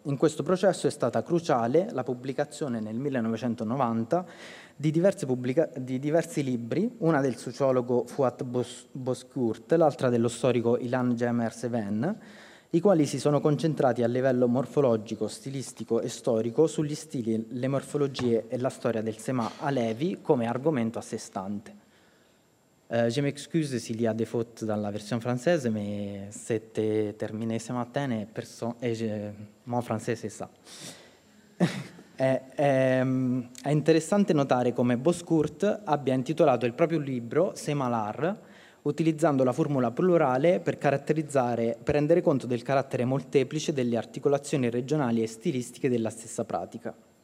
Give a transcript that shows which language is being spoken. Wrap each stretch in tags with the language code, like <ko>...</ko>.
<it>In questo processo è stata cruciale la pubblicazione nel 1990 di diversi libri, una del sociologo Fuat Boskurt, l'altra dello storico Ilan Gemer-Seven, i quali si sono concentrati a livello morfologico, stilistico e storico sugli stili, le morfologie e la storia del Sema alevi come argomento a sé stante.</it> <fr>Je m'excuse s'il y a des fautes dans la version française, mais c'était terminé ce matin et mon français c'est ça.</fr> <it>È interessante notare come Boskurt abbia intitolato il proprio libro Semalar, utilizzando la formula plurale per rendere conto del carattere molteplice delle articolazioni regionali e stilistiche della stessa pratica.</it>